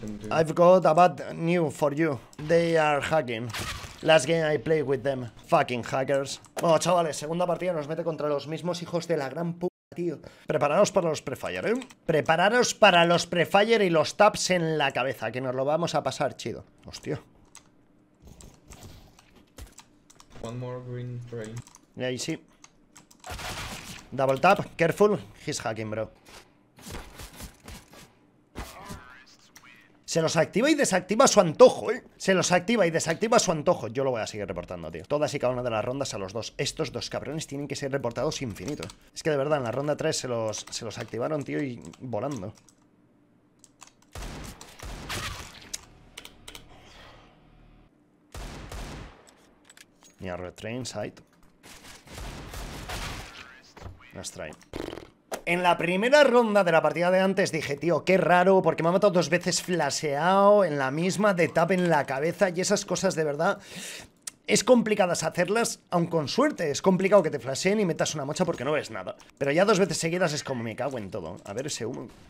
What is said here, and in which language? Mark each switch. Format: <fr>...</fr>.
<en>I've got a bad news for you. They are hacking. Last game I played with them. Fucking hackers.</en> <es>Bueno, chavales, segunda partida nos mete contra los mismos hijos de la gran puta, tío. Preparaos para los prefire, ¿eh? Preparaos para los prefire y los taps en la cabeza, que nos lo vamos a pasar chido. Hostia.</es> <en>One more green train. Yeah, you see. Double tap, careful, he's hacking, bro.</en> <es>Se los activa y desactiva a su antojo, ¿eh? Se los activa y desactiva a su antojo. Yo lo voy a seguir reportando, tío. Todas y cada una de las rondas a los dos. Estos dos cabrones tienen que ser reportados infinito. Es que de verdad, en la ronda 3 se los activaron, tío, y volando.</es> <en>Ni a retrain, sight. Nice try.</en> <es>En la primera ronda de la partida de antes dije, tío, qué raro, porque me ha matado dos veces flasheado en la misma, de tap en la cabeza, y esas cosas de verdad es complicadas hacerlas, aun con suerte. Es complicado que te flasheen y metas una mocha porque no ves nada. Pero ya dos veces seguidas es como me cago en todo. A ver ese humo.</es>